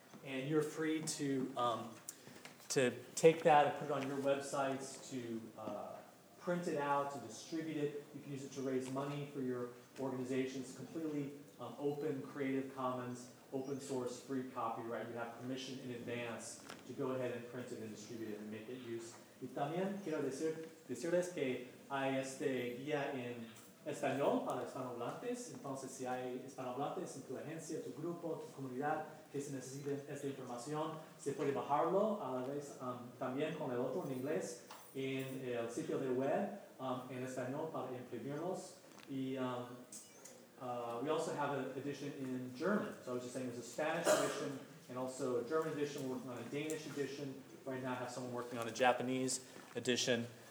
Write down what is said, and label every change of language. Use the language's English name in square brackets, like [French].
[English] And you're free to take that and put it on your websites, to print it out, to distribute it. You can use it to raise money for your organizations, completely open, Creative Commons, open source, free copyright. You have permission in advance to go ahead and print it and distribute it and make it use. [Spanish] Y también quiero decirles que hay este guía en español para hispanohablantes. Entonces, si hay hispanohablantes en tu agencia, tu grupo, tu comunidad, que se necesite esta información, se puede bajarlo a la vez también con el otro en inglés en el sitio de web en español para imprimirlos. Y [English] we also have an edition in German. So I was just saying there's a Spanish edition and also a German edition. We're working on a Danish edition. Right now I have someone working on a Japanese edition.